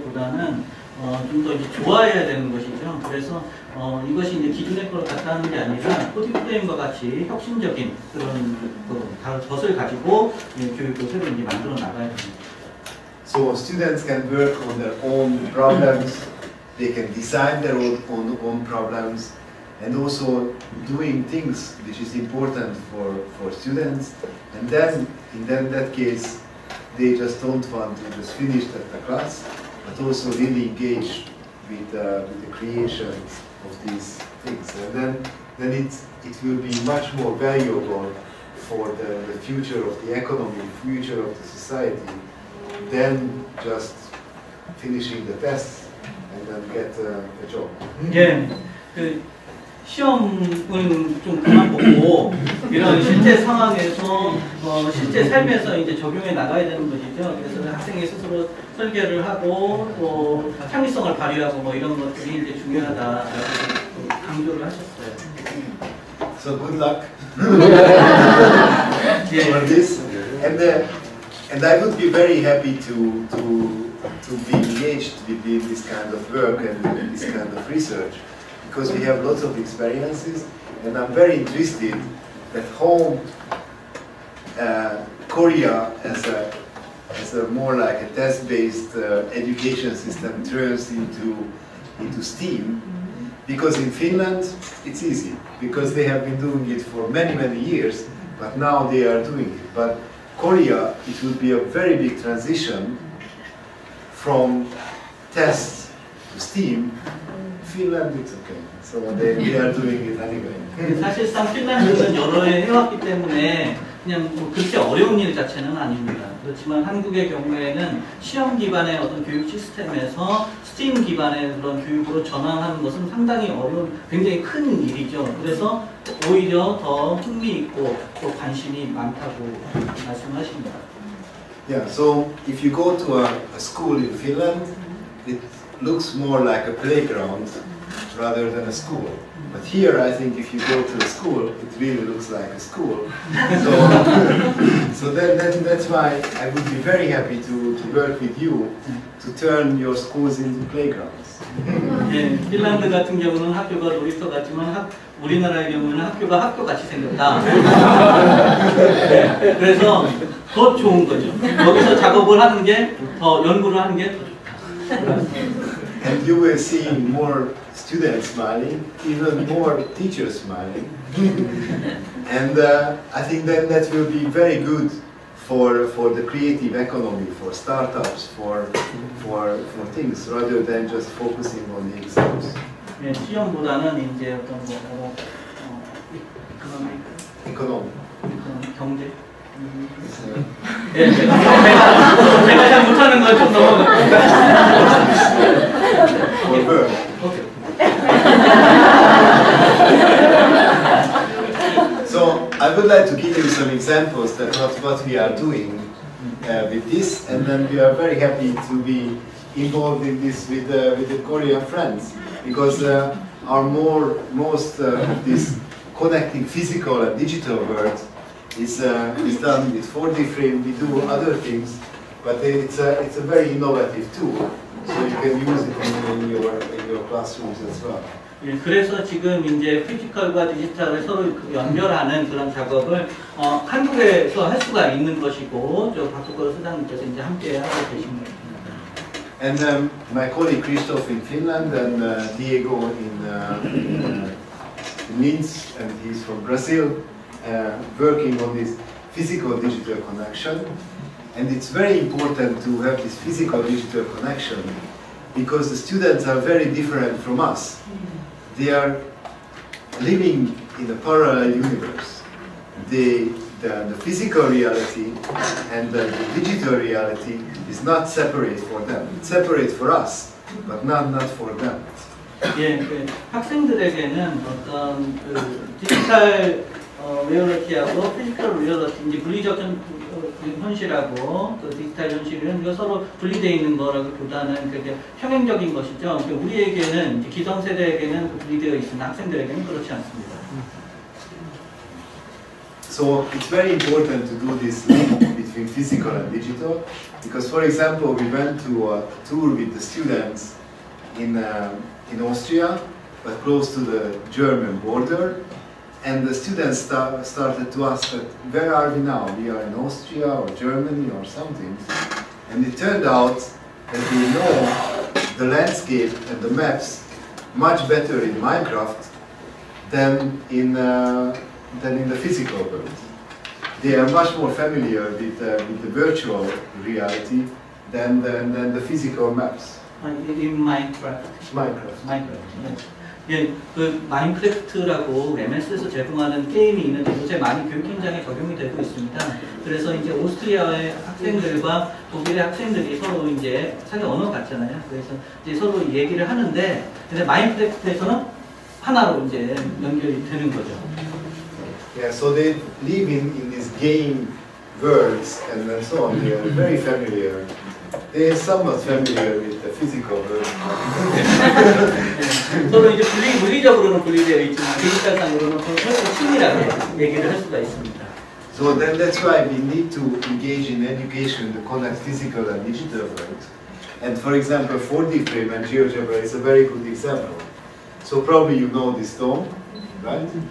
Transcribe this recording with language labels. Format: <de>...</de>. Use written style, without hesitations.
<ko>좀 더 이제 좋아해야 되는 것이죠. 그래서 이것이 이제 기존의 걸 갖다 하는 게 아니라 코딩 프레임과 같이 혁신적인 그런 것을 가지고 교육도 새로 이제 만들어 나가야 됩니다.</ko> <en>So students can work on their own problems. They can design their own problems, and also doing things which is important for students. And then in that case, they just don't want to just finish the class. But also really engage with the creation of these things, and then it will be much more valuable for the future of the economy, future of the society, than just finishing the test and then get a job. Yeah.</en> <ko>시험은 좀 그만 보고 이런 실제 상황에서 실제 삶에서 이제 적용해 나가야 되는 것이죠. 그래서 학생이 스스로 설계를 하고 또 창의성을 발휘하고 뭐 이런 것들이 이제 중요하다 강조를 하셨어요.</ko> <en>So good luck. Yeah. For this. And and I would be very happy to be engaged with this kind of work and this kind of research. Because we have lots of experiences, and I'm very interested at home, Korea as a more like a test-based education system turns into STEAM, because in Finland it's easy because they have been doing it for many years, but now they are doing it. But Korea, it would be a very big transition from tests steam, Finland is okay. So they are doing it anyway.</en> <ko>사실상 핀란드는 여러 해 해왔기 때문에 그냥 뭐 그렇게 어려운 일 자체는 아닙니다. 그렇지만 한국의 경우에는 시험 기반의 어떤 교육 시스템에서 스팀 기반의 그런 교육으로 전환하는 것은 상당히 어려운, 굉장히 큰 일이죠. 그래서 오히려 더 흥미있고 또 관심이 많다고 말씀하십니다.</ko> <en>Yeah, so if you go to a school in Finland, it looks more like a playground rather than a school. But here, I think if you go to a school, it really looks like a school. So, that's why I would be very happy to work with you to turn your schools into playgrounds.</en> <ko>예, 핀란드 같은 경우는 학교가 놀이터 같지만 우리나라의 경우는 학교가 학교 같이 생겼다. 그래서 더 좋은 거죠. 여기서 작업을 하는 게 더 연구를 하는 게 더 좋다.</ko> <en>And you will see more. Students smiling, even more teachers smiling, and I think then that will be very good for the creative economy, for startups, for things rather than just focusing on the exams.</en> <ko>예, 시험보다는 이제 어떤 뭐</ko> <en>economy,</en> <ko>경제. 예, 제가 잘 못하는 걸 좀 너무.</ko> <en>Okay. So I would like to give you some examples of what we are doing with this, and then we are very happy to be involved in this with the Korean friends, because our most this connecting physical and digital world is done with 4D frame. We do other things, but it's a very innovative tool. So you can use it in your classrooms as well.</en> <ko>예, 그래서 지금 이제 피지컬과 디지털을 서로 연결하는 그런 작업을 한국에서 할 수가 있는 것이고 저 박수걸 소장님께서 이제 함께 하고 계신 것 같습니다.</ko> <en>And my colleague Christoph in Finland and Diego in Minsk, and he's from Brazil, working on this physical digital connection. And it's very important to have this physical digital connection, because the students are very different from us. They are living in a parallel universe. The physical reality and the digital reality is not separate for them. It's separate for us, but not for them.</en> <ko>예, 학생들에게는 어떤 디지털 리얼리티하고 피지컬 리얼리티 이제 물리적인 현실하고 그 디지털 현실은 서로 분리되어 있는 거라기보다는 그게 평행적인 것이죠. 우리에게는 기성세대에게는 분리되어 있으나 학생들에게는 그렇지 않습니다.</ko> <en>So it's very important to do this link between physical and digital, because for example we went to a tour with the students in Austria, but close to the German border. And the students started to ask, where are we now? We are in Austria or Germany or something. And it turned out that we know the landscape and the maps much better in Minecraft than in the physical world. They are much more familiar with the virtual reality than the physical maps. In Minecraft. Minecraft.</en> <ko>예, 그 마인크래프트라고 MS에서 제공하는 게임이 있는데 요새 많이 교육 현장에 적용이 되고 있습니다. 그래서 이제 오스트리아의 학생들과 독일의 학생들이 서로 이제 자기 언어 같잖아요. 그래서 이제 서로 얘기를 하는데, 근데 마인크래프트에서는 하나로 이제 연결이 되는 거죠.</ko> <en>Yeah, so they live in these game worlds and so on. They are very familiar. They are somewhat familiar with the physical world.</en> <ko>서로 이제 물리적으로는 분리되어 있지만 디지털상으로는 친밀하게 얘기를 할 수가 있습니다.</ko> <en>So then that's why we need to engage in education to connect physical and digital world. And for example, 4D frame and GeoGebra is a very good example. So probably you know this dome, right?</en>